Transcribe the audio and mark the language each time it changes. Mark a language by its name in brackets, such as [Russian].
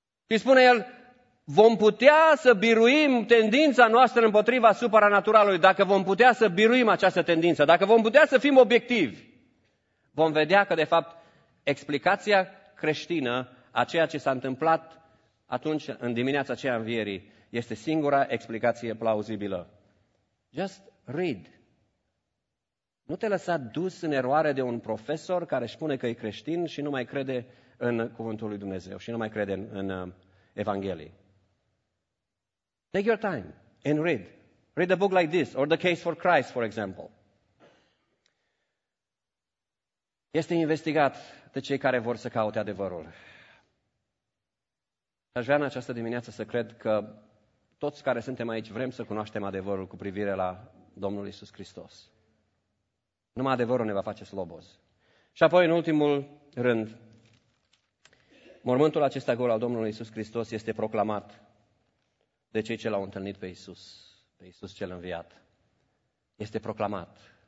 [Romanian] Și spune el, vom putea să biruim tendința noastră împotriva supranaturalului, dacă vom putea să biruim această tendință, dacă vom putea să fim obiectivi, vom vedea că, de fapt, explicația creștină a ceea ce s-a întâmplat atunci, în dimineața aceea învierii, este singura explicație plauzibilă. [English] Just read. [Romanian] Nu te lăsa dus în eroare de un profesor care își spune că e creștin și nu mai crede în Cuvântul lui Dumnezeu și nu mai crede în Evanghelie. [English] Take your time and read. Read a book like this, or The Case for Christ, for example. [Romanian] Este investigat de cei care vor să caute adevărul. Aș vrea în această dimineață să cred că toți care suntem aici vrem să cunoaștem adevărul cu privire la Domnul Iisus Hristos. Numai adevărul ne va face slobozi. Și apoi, în ultimul rând, mormântul acesta gol al Domnului Iisus Hristos este proclamat de cei ce l-au întâlnit pe Iisus, pe Iisus cel înviat. Este proclamat.